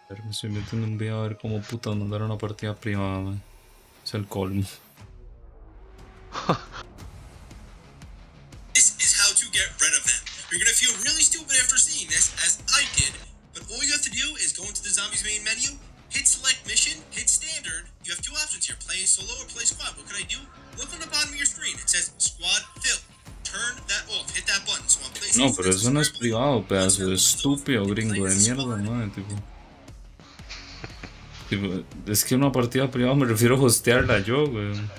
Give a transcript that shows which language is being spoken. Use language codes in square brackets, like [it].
[es] Estoy metiendo un video a ver cómo puta mandar una partida privada, man. Es el colmo. [en] This is how to get rid of them. You're gonna feel really stupid after seeing this, as I did. But all you have to do is go into the zombies main menu, hit select mission, hit standard. You have two options here, play solo or play squad. What can I do? Look on the bottom of your screen, it says squad fill. Turn that off, hit that button. So I'm [es] placing. No, pero eso no es privado, pedazo de estúpido gringo de mierda, man, tipo. Es que una partida privada me refiero a hostearla yo, güey.